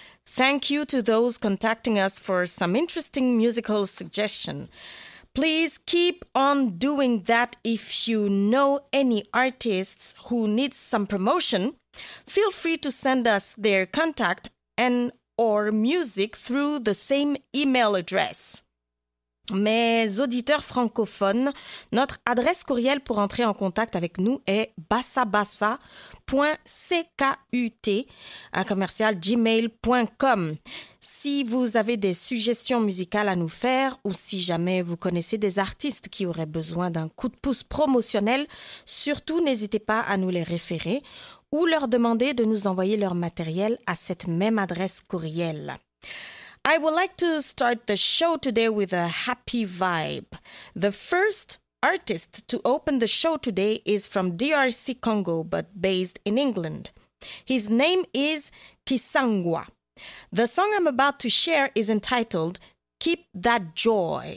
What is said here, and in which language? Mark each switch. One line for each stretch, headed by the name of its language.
English: Thank you to those contacting us for some interesting musical suggestions. Please keep on doing that. If you know any artists who need some promotion, feel free to send us their contact and or music through the same email address.
French: Mes auditeurs francophones, notre adresse courriel pour entrer en contact avec nous est bassabassa.ckut@gmail.com. Si vous avez des suggestions musicales à nous faire ou si jamais vous connaissez des artistes qui auraient besoin d'un coup de pouce promotionnel, surtout n'hésitez pas à nous les référer ou leur demander de nous envoyer leur matériel à cette même adresse courriel.
English: I would like to start the show today with a happy vibe. The first artist to open the show today is from DRC Congo, but based in England. His name is Kisangwa. The song I'm about to share is entitled Keep That Joy.